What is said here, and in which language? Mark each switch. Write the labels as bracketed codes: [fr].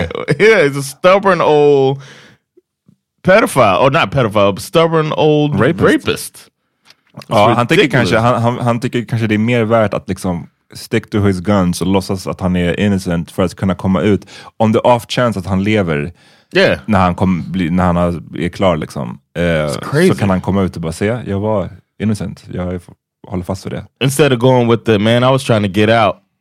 [en] Like, yeah, he's a stubborn old pedophile. Or not pedophile, but stubborn old rapist. [sv] Oh, han tycker kanske det är mer värt att liksom [en] stick to his guns [sv] och låtsas att han är innocent för att kunna komma ut. [en] On the off chance [sv] att han lever när han är klar liksom, så kan han komma ut och bara säga, jag var innocent. Jag håller fast vid det. [en] Instead of going with the man, I was trying to get out.